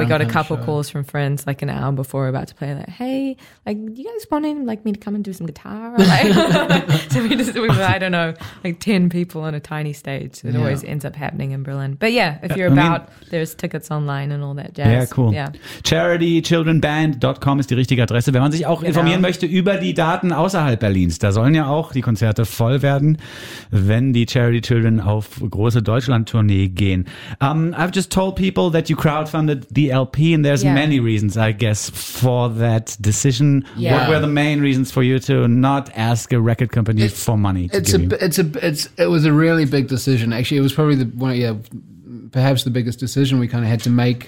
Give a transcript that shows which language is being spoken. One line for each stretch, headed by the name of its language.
English: And we got a couple calls from friends like an hour before we're about to play, like, hey, like, do you guys want in, like, me to come and do some guitar? Like, so we were, I don't know, like 10 people on a tiny stage. It always ends up happening in Berlin. But yeah, if you're there's tickets online and all that jazz. Yeah, cool. Yeah.
German: CharityChildrenBand.com ist die richtige Adresse. Wenn man sich auch informieren möchte über die Daten außerhalb Berlins, da sollen ja auch die Konzerte voll werden, wenn die Charity Children auf große Deutschland-Tournee gehen.
English: I've just told people that you crowdfunded the LP and there's many reasons, I guess, for that decision. Yeah. What were the main reasons for you to not ask a record company for money? It was a really big decision. Actually, it was probably perhaps the biggest decision we kind of had to make.